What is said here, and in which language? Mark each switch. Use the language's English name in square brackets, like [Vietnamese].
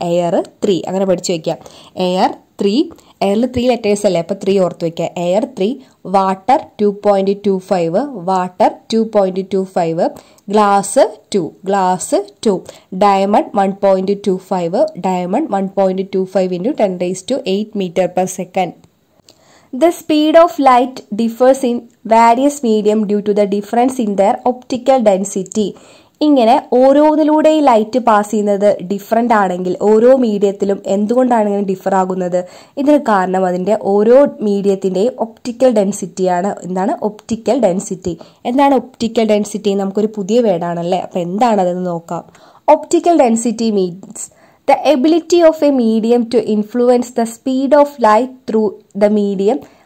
[Malayalam] Air 3, അങ്ങനെ പഠിച്ചു വയ്ക്കുക. എയർ 3, എയറിൽ 3 ലെറ്റേഴ്സ് അല്ലേ, അപ്പോൾ 3 ഓർത്ത് വയ്ക്കുക. [English] Air 3, water 2.25, water 2.25, glass 2, glass 2, diamond 1.25, diamond 1.25 × 10⁸ metre per second. The speed of light differs in various medium due to the difference in their optical density. [Malayalam] ഇങ്ങനെ ഓരോന്നിലൂടെ ഈ ലൈറ്റ് പാസ് ചെയ്യുന്നത് ഡിഫറൻ്റ് ആണെങ്കിൽ ഓരോ മീഡിയത്തിലും എന്തുകൊണ്ടാണ് ഇങ്ങനെ ഡിഫർ ആകുന്നത്? ഇതിന് കാരണം അതിൻ്റെ ഓരോ മീഡിയത്തിൻ്റെയും ഒപ്റ്റിക്കൽ ഡെൻസിറ്റിയാണ്. എന്താണ് ഒപ്റ്റിക്കൽ ഡെൻസിറ്റി? എന്താണ് ഒപ്റ്റിക്കൽ ഡെൻസിറ്റി? നമുക്കൊരു പുതിയ വേർഡാണല്ലേ, അപ്പോൾ എന്താണതെന്ന് നോക്കാം. [English] Optical density means the ability of a medium to influence the speed of light through the medium.